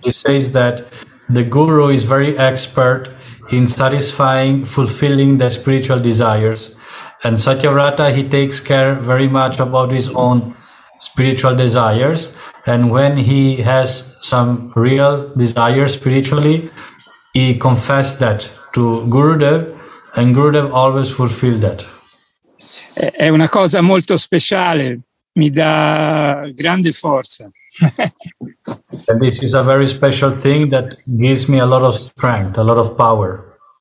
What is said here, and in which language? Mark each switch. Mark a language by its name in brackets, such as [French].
[English] He says that the guru is very expert in satisfying, fulfilling the spiritual desires, and Satyavrata, he takes care very much about his own spiritual desires, and when he has some real desire spiritually, he confessed that to Gurudev, and Gurudev always fulfilled that. [Italian] È una cosa molto speciale, mi dà grande forza. [English] And this is a very special thing that gives me a lot of strength, a lot of power.